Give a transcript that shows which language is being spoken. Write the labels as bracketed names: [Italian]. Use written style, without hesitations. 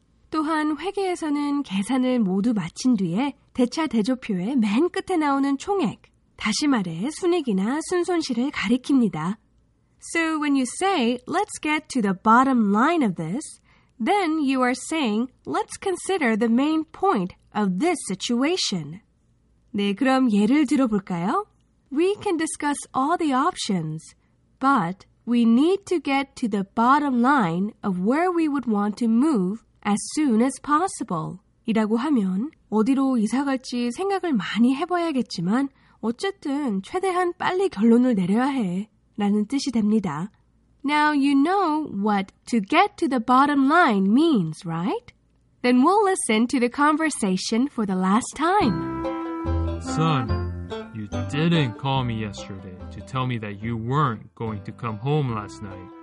[Korean] 또한 회계에서는 계산을 모두 마친 뒤에 대차대조표의 맨 끝에 나오는 총액, 다시 말해 순익이나 순손실을 가리킵니다. [English] So when you say, let's get to the bottom line of this, then you are saying, let's consider the main point of this situation. [Korean] 네, 그럼 예를 들어볼까요? [English] We can discuss all the options, but we need to get to the bottom line of where we would want to move as soon as possible. [Korean] 이라고 하면 어디로 이사 갈지 생각을 많이 해봐야겠지만 어쨌든 최대한 빨리 결론을 내려야 해. 라는 뜻이 됩니다. [English] Now you know what to get to the bottom line means, right? Then we'll listen to the conversation for the last time. Son, you didn't call me yesterday to tell me that you weren't going to come home last night.